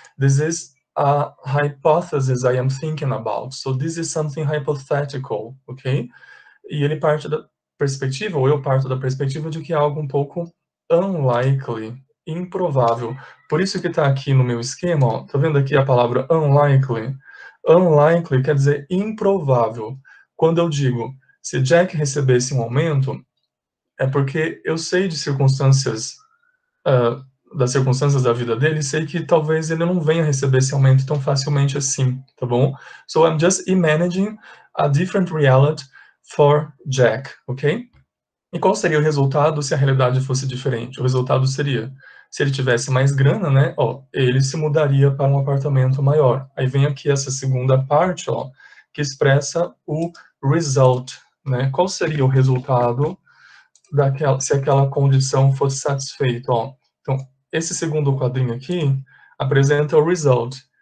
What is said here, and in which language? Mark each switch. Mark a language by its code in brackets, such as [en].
[en] This is a hypothesis I am thinking about, so this is something hypothetical, okay? [pt] E ele parte da perspectiva, ou eu parto da perspectiva de que é algo um pouco unlikely, improvável. Por isso que está aqui no meu esquema, ó, tá vendo aqui a palavra unlikely? Unlikely quer dizer improvável. Quando eu digo, se Jack recebesse um aumento, é porque eu sei de circunstâncias, das circunstâncias da vida dele, sei que talvez ele não venha receber esse aumento tão facilmente assim, tá bom? [en] So I'm just imagining a different reality for Jack, ok? [pt] E qual seria o resultado se a realidade fosse diferente? O resultado seria, se ele tivesse mais grana, né? Ó, ele se mudaria para um apartamento maior. Aí vem aqui essa segunda parte, ó, que expressa o result. Né? Qual seria o resultado daquela, se aquela condição fosse satisfeita? Ó. Então, esse segundo quadrinho aqui apresenta o result.